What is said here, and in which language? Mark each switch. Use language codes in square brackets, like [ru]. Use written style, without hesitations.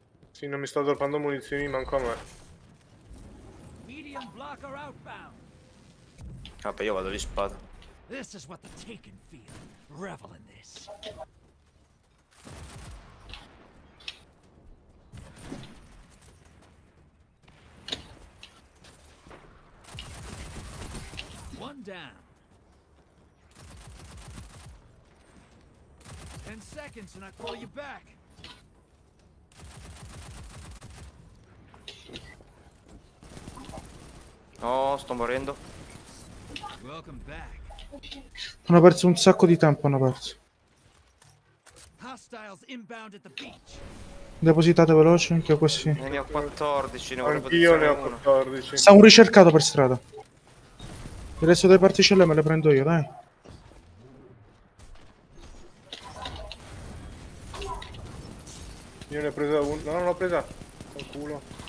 [it] Sì, non mi sto droppando munizioni, manco a me. [en] Medium blocker outbound. [it] Vabbè, io vado di spada. [en] This is what the Taken feel. Revel in this. One down. 10 seconds and I call you back. [it] Oh, sto morendo. [en] Welcome back. [it] Hanno perso un sacco di tempo, hanno perso. [en] Hostiles inbound at the beach. [it] Depositate veloce, anche questi. Ne ho 14, ne ho anch'io ne ho 14. Sta un ricercato per strada. Il resto delle particelle me le prendo io, dai. Io ne ho presa una. No, non l'ho presa. Col culo.